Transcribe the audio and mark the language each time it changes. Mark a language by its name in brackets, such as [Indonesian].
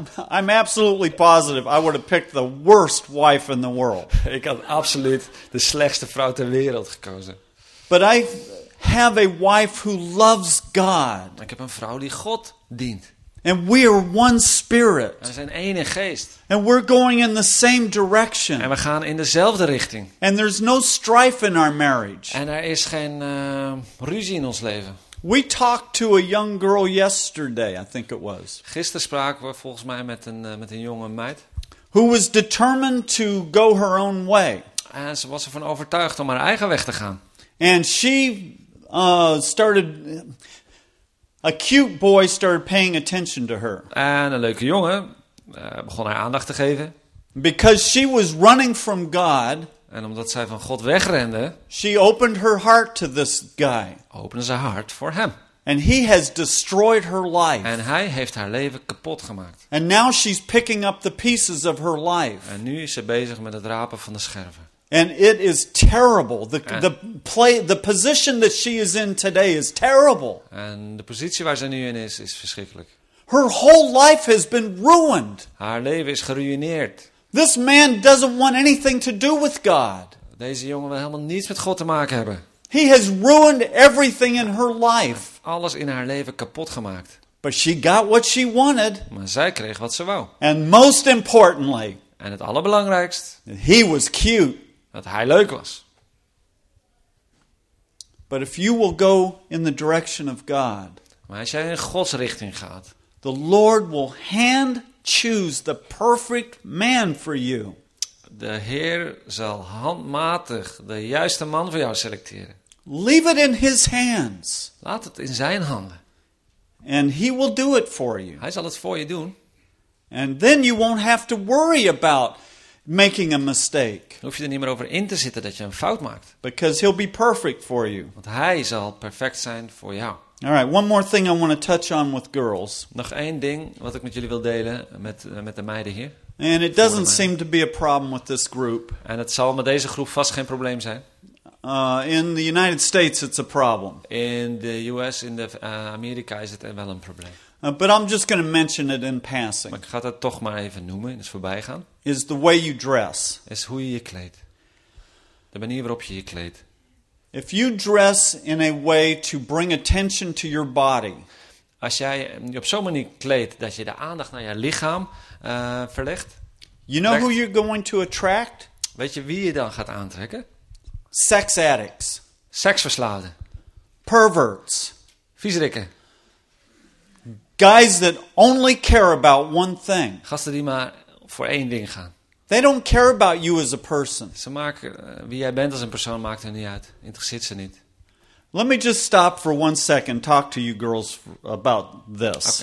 [English] I'm absolutely positive I would have picked the worst wife in the world. [Dutch] Ik had absoluut de slechtste vrouw ter wereld gekozen. [English] But I have a wife who loves God. [Dutch] Ik heb een vrouw die God dient. [English] And we are one spirit. [Dutch] We zijn één in geest. [English] And we're going in the same direction. [Dutch] En we gaan in dezelfde richting. [English] And there's no strife in our marriage. [Dutch] En er is geen ruzie in ons leven. [English] We talked to a young girl yesterday, I think it was. [Dutch] Gisteren spraken we volgens mij met een jonge meid. [English] Who was determined to go her own way. [Dutch] En ze was ervan overtuigd om haar eigen weg te gaan. [English] And she started. A cute boy started paying attention to her. [Dutch] En een leuke jongen begon haar aandacht te geven. [English] Because she was running from God. [Dutch] En omdat zij van God wegrende. [English] She opened her heart to this guy. [Dutch] Opende ze hart voor hem. [English] And he has destroyed her life. [Dutch] En hij heeft haar leven kapot gemaakt. [English] And now she's picking up the pieces of her life. [Dutch] En nu is ze bezig met het rapen van de scherven. [English] And it is terrible. The position that she is in today is terrible. [Dutch] En de positie waar ze nu in is, is verschrikkelijk. [English] Her whole life has been ruined. [Dutch] Haar leven is geruïneerd. [English] This man doesn't want anything to do with God. [Dutch] Deze jongen wil helemaal niets met God te maken hebben. [English] He has ruined everything in her life. [Dutch] Alles in haar leven kapot gemaakt. [English] But she got what she wanted. [Dutch] Maar zij kreeg wat ze wou. [English] And most importantly. [Dutch] En het allerbelangrijkst. [English] He was cute. [Dutch] Dat hij leuk was. [English] But if you will go in the direction of God. [Dutch] Maar als jij in Gods richting gaat. [English] The Lord will hand choose the perfect man for you. [Dutch] De Heer zal handmatig de juiste man voor jou selecteren. [English] Leave it in his hands. [Dutch] Laat het in zijn handen. [English] And he will do it for you. [Dutch] Hij zal het voor je doen. [English] And then you won't have to worry about making a mistake. [Dutch] Hoef je er niet meer over in te zitten dat je een fout maakt. [English] Because he'll be perfect for you. [Dutch] Want hij zal perfect zijn voor jou. [English] All right, one more thing I want to touch on with girls. [Dutch] Nog één ding wat ik met jullie wil delen met de meiden hier. [English] And it doesn't seem to be a problem with this group. [Dutch] En het zal met deze groep vast geen probleem zijn. [English] In the United States it's a problem. [Dutch] In de US, in de Amerika is het wel een probleem. [English] But I'm just going to mention it in passing. [Dutch] Maar ik ga dat toch maar even noemen, in het voorbijgaan. [English] Is the way you dress. [Dutch] Is hoe je je kleedt. De manier waarop je je kleedt. [English] If you dress in a way to bring attention to your body. [Dutch] Als jij je op zo'n manier kleedt dat je de aandacht naar je lichaam verlegt. [English] You know who you're going to attract? [Dutch] Weet je wie je dan gaat aantrekken? [English] Sex addicts. [Dutch] Seksverslaafden. [English] Perverts. [Dutch] Viezerikken. [English] Guys that only care about one thing. [Dutch] Gasten die maar voor één ding gaan. [English] They don't care about you as a person. [Dutch] Ze maken wie jij bent als een persoon maakt hen niet uit. Interesseert ze niet. [English] Let me just stop for one second talk to you girls about this.